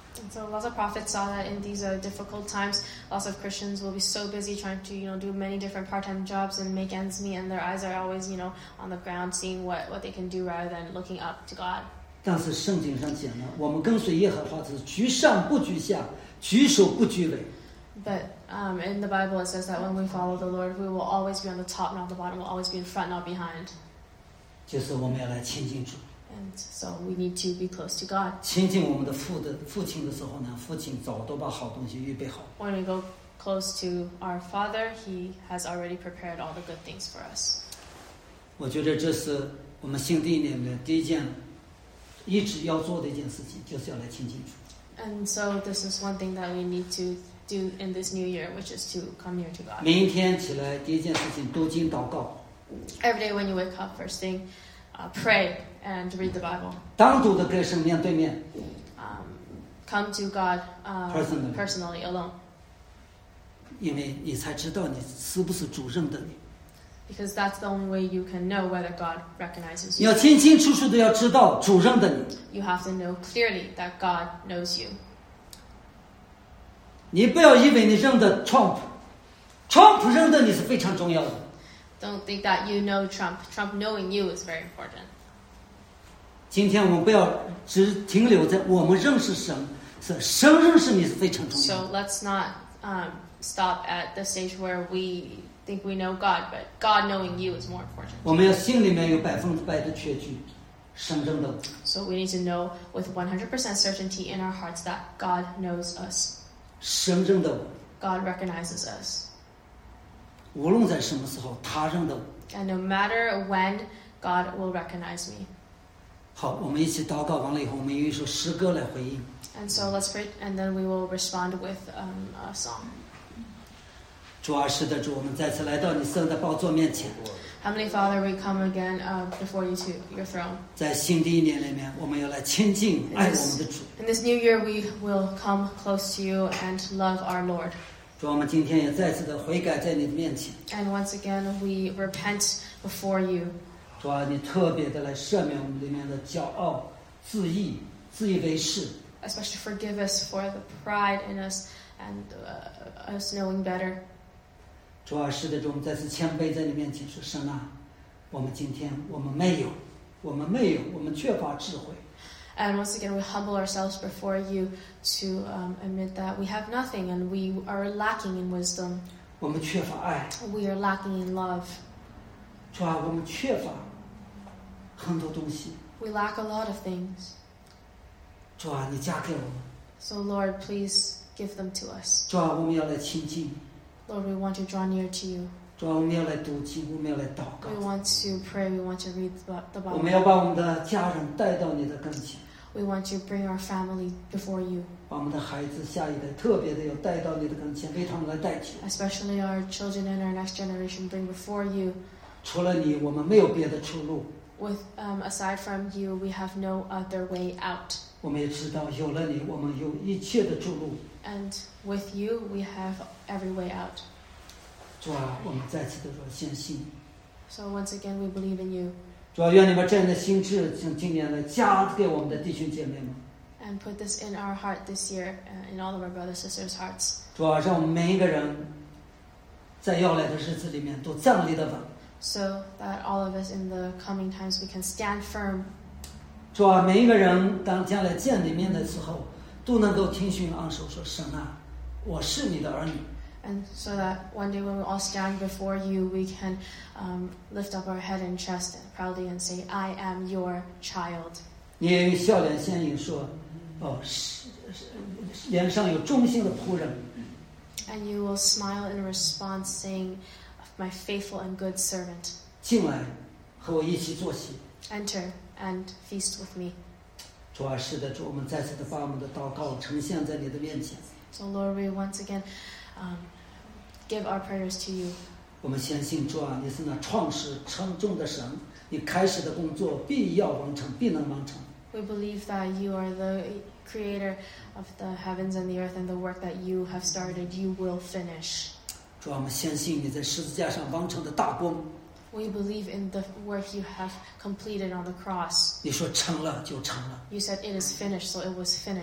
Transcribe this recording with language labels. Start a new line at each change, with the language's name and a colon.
English: So lots of prophets saw that in these difficult times, lots of Christians will be so busy trying to, you know, do many different part-time jobs and make ends meet, and their eyes are always, you know, on the ground, seeing what they can do rather than looking up to God.
Chinese: 但是圣经上讲呢，我们跟随耶和华是居上不居下，居首不居尾。
English: But in the Bible it says that when we follow the Lord, we will always be on the top, not the bottom. We'll always be in front, not behind.
Chinese: 就是我们要来亲近主。
English: And needs. So we need to be close to God.
Chinese: 亲近我们的父亲的时候呢，父亲早都把好东西预备好。
English: When we go close to our Father, He has already prepared all the good things for us.
Chinese: 我觉得这是我们新的一年的第一件，一直要做的一件事情，就是要来亲近主。
English: And so this is one thing that we need to do in this new year, which is to come near to God.
Chinese: 明天起来第一件事情，读经祷告。
English: Every day when you wake up, first thing,pray and read the Bible.
Chinese: 单独的跟神面对面。
English: Come to God personally alone.
Chinese: 因为你才知道你是不是主认的你。
English: Because that's the only way you can know whether God recognizes you.
Chinese: 你要清清楚楚的要知道主认的你。
English: You have to know clearly that God knows you.
Chinese: 你不要以为你认得 Trump. Trump 认得你是非常重要的。
English: Don't think that you know Trump. Trump knowing you is very important.
Chinese: 今天我们不要只停留在我们认识神，是神认识你是非常重要的。
English: So let's not stop at the stage where we think we know God, but God knowing you is more important.
Chinese: 我们要心里面有百分之百的确据，神认得。
English: So we need to know with 100% certainty in our hearts that God knows us.
Chinese: 神认得。
English: God recognizes us.
Chinese: 无论在什么时候，他认得我。
English: And no matter when, God will recognize me.
Chinese: 好，我们一起祷告完了以后，我们用一首诗歌来回应。
English: And so let's pray, and then we will respond with a song.
Chinese: 主啊，是的，主，我们再次来到你圣的宝座面前。
English: Heavenly Father, we come again before you to your throne.
Chinese: 在新的一年里面，我们要来亲近爱我们的主。
English: In this new year, we will come close to you and love our Lord.
Chinese: 主，我们今天也再次的悔改在你的面前。
English: And once again, we repent before you.
Chinese: 主啊，你特别的来赦免我们里面的骄傲、自义、自以为是。
English: Especially forgive us for the pride in us and us knowing better.
Chinese: 主啊，是的，主，我们再次谦卑在你面前说：“神啊，我们今天我们没有，我们缺乏智慧。”
English: And once again, we humble ourselves before you. To admit that we have nothing and we are lacking in wisdom.
Chinese: 我们缺乏爱。
English: We are lacking in love.
Chinese: 主啊，我们缺乏很多东西。
English: We lack a lot of things.
Chinese: 主啊，你加给我们。
English: So Lord, please give them to us.
Chinese: 主啊，我们要来亲近。
English: Lord, we want to draw near to you.
Chinese: 主啊，我们要来读经，我们要来祷告。
English: We want to pray. We want to read the Bible.
Chinese: 我们要把我们的家人带到你的跟前。
English: We want to bring our family before you.
Chinese: 把我们的孩子下一代特别的要带到你的跟前，为他们来代替。
English: Especially our children and our next generation, bring before you.
Chinese: 除了你，我们没有别的出路。
English: With aside from you, we have no other way out.
Chinese: 我们也知道，有了你，我们有一切的出路。
English: And with you, we have every way out.
Chinese: 主啊，我们再次的说，信心。
English: So once again, we believe in you.
Chinese: 主啊，愿你把这样的心智从今年来加给我们的弟兄姐妹们。
English: And put this in our heart this year, in all of our brothers and sisters' hearts.
Chinese: 主啊，让我们每一个人在要来的日子里面都站立得稳。
English: So that all of us in the coming times we can stand firm.
Chinese: 主啊，每一个人当将来见你面的时候，都能够听信昂首说：“神啊，我是你的儿女。”
English: And so that one day when we all stand before you, we can lift up our head and chest. Proudly and say, I am your child.
Chinese: 你也用笑脸相迎说，哦，脸上有忠心的仆人。
English: And you will smile in response, saying, my faithful and good servant.
Chinese: 进来，和我一起坐席。
English: Enter and feast with me.
Chinese: 主啊，是的，主，我们再次的把我们的祷告呈现在你的面前。
English: So Lord, we once again, give our prayers to you.
Chinese: 我们相信主啊，你是那创始成终的神。你开始的工作必要完成，必能完成。
English: We believe that you are the creator of the heavens and the earth, and the work that you have started, you will finish.
Chinese: 主啊，我们相信你在十字架上完成的大功。
English: We believe in the work you have completed on the cross.
Chinese: 你说成了就成了。
English: You said it is finished, so it was finished.